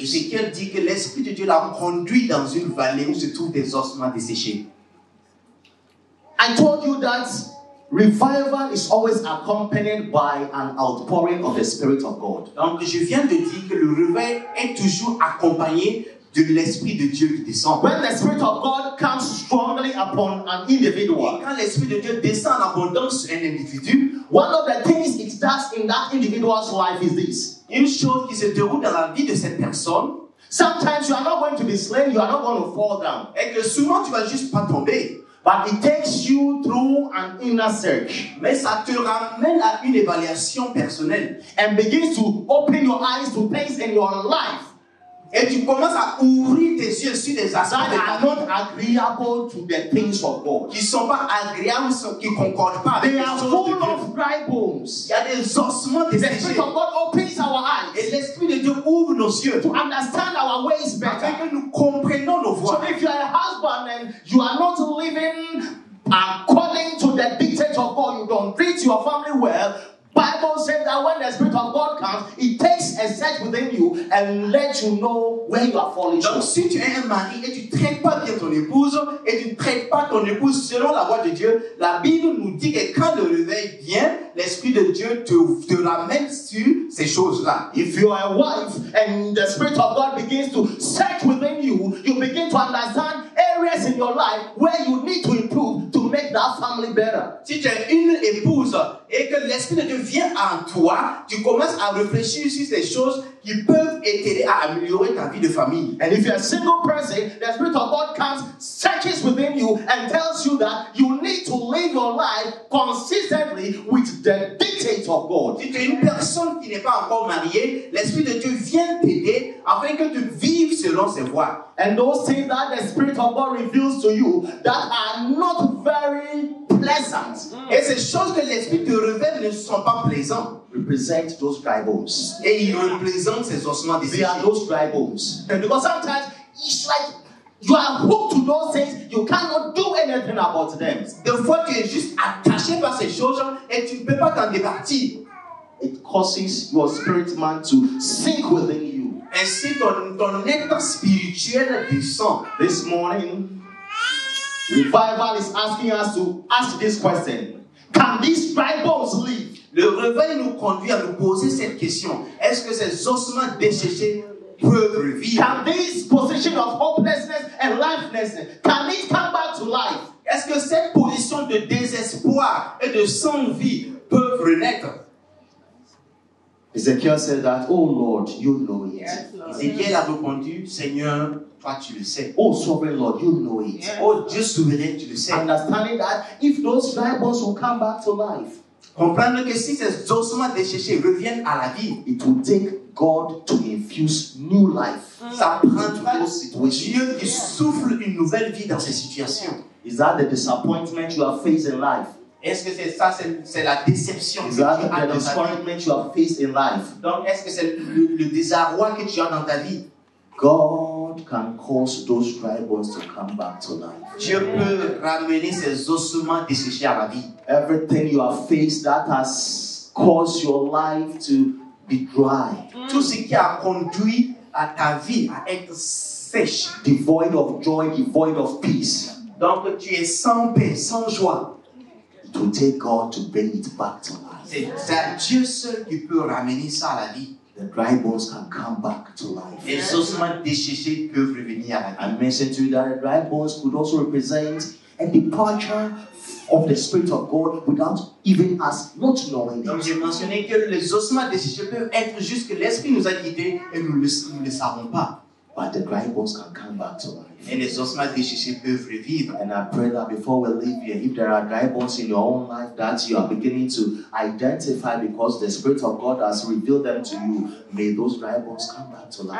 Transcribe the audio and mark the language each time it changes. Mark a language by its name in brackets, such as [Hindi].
[French] Ezekiel dit que l'Esprit de Dieu l'a conduit dans une vallée où se trouvent des ossements desséchés. [English] I told you that revival is always accompanied by an outpouring of the Spirit of God. [French] Donc je viens de dire que le réveil est toujours accompagné de l'Esprit de Dieu qui descend. [English] When the Spirit of God comes strongly upon an individual, [French] et quand l'Esprit de Dieu descend en abondance sur un individu, [English] one of the things it does in that individual's life is this. [French] Une chose qui se déroule dans la vie de cette personne, [English] sometimes you are not going to be slain, you are not going to fall down. [French] Et que souvent tu vas juste pas tomber. [English] But it takes you through an inner search. [French] Mais ça te ramène à une évaluation personnelle. [English] And begins to open your eyes to things in your life. [French] Et tu commences à ouvrir tes yeux sur des aspects [English] that are not agreeable to the things of God. [French] Qui ne sont pas agréables, qui ne concordent pas. [English] They are full of dry bones. [French] Il y a des ossements desséchés. [English] The Spirit of God opens our eyes. [French] Et l'Esprit de Dieu ouvre nos yeux. [English] To understand our ways better. [French] Afin que nous comprenons nos voies. [English] So if you are a husband and you are not living according to the dictates of God, you don't treat your family well, Bible says that when the Spirit of God comes, it takes a search within you and lets you know where you are falling short. [French] Donc si tu es un mari et tu ne traites pas bien ton épouse et tu ne traites pas ton épouse selon la voix de Dieu, la Bible nous dit que quand le réveil vient, l'Esprit de Dieu te ramène sur ces choses-là. [English] If you are a wife and the Spirit of God begins to search within you, you begin to understand areas in your life where you need to improve to make that family better. [French] Si tu es une épouse et que l'Esprit de Dieu vient en toi, tu commences à réfléchir sur ces choses qui peuvent t'aider à améliorer ta vie de famille. [English] And if you're a single person, the Spirit of God comes, searches within you and tells you that you need to live your life consistently with the dictates of God. [French] Si tu es une personne qui n'est pas encore mariée, l'Esprit de Dieu vient t'aider afin que tu vives selon ses voies. [English] And those things that the Spirit of God reveals to you that are not very pleasant. Mm. [French] Et ces choses que l'Esprit te révèle ne sont pas plaisantes. [English] Represent those dry bones. [French] Et il représente ces ossements des échecs. [English] They are those dry bones. And because sometimes it's like you are hooked to those things, you cannot do anything about them. [French] The fois tu es juste attaché par ces choses et tu ne peux pas t'en départir. [English] It causes your spirit man to sink within you. [French] Ainsi, ton être spirituel descend. [English] This morning, revival is asking us to ask this question. Can these dry bones live? [French] Le réveil nous conduit à nous poser cette question. Est-ce que ces ossements desséchés peuvent revivre? [English] Can this position of hopelessness and lifelessness, can it come back to life? [French] Est-ce que cette position de désespoir et de sans-vie peut renaître? [English] Ezekiel said that, oh Lord, you know it. Yes, [French] Ezekiel a répondu, Seigneur, toi tu le sais. [English] Oh sovereign Lord, you know it. Yes. [French] Oh Dieu souverain, tu le sais. [English] Understanding that if those dry bones will come back to life, [French] comprendre que si ces ossements desséchés reviennent à la vie, [English] it will take God to infuse new life. [French] Ça prendra Dieu qui souffle une nouvelle vie dans ces situations. [English] Yeah. Is that the disappointment you have faced in life? [French] Est-ce que c'est ça, c'est la déception que tu as dans ta vie? Donc, est-ce que c'est le désarroi que tu as dans ta vie? [English] God can cause those dry bones to come back to life. [French] Dieu peut ramener ces ossements desséchés à la vie. [English] Everything you have faced that has caused your life to be dry. [French] Tout ce qui a conduit à ta vie à être sèche, [English] devoid of joy, devoid of peace. [French] Donc, tu es sans paix, sans joie. [English] To take God to bring it back to life. [French] C'est Dieu seul qui peut ramener ça à la vie. [English] The dry bones can come back to life. [French] Les ossements desséchés peuvent revenir à la vie. [English] I mentioned to you that the dry bones could also represent a departure of the Spirit of God without even us not knowing it. [French] Donc j'ai mentionné que les ossements desséchés peuvent être juste que l'Esprit nous a quittés et nous ne le savons pas. [English] But the dry bones can come back to life. [French] And les ossements desséchés peuvent revivre. [English] And I pray that before we leave here, if there are dry bones in your own life that you are beginning to identify because the Spirit of God has revealed them to you, may those dry bones come back to life.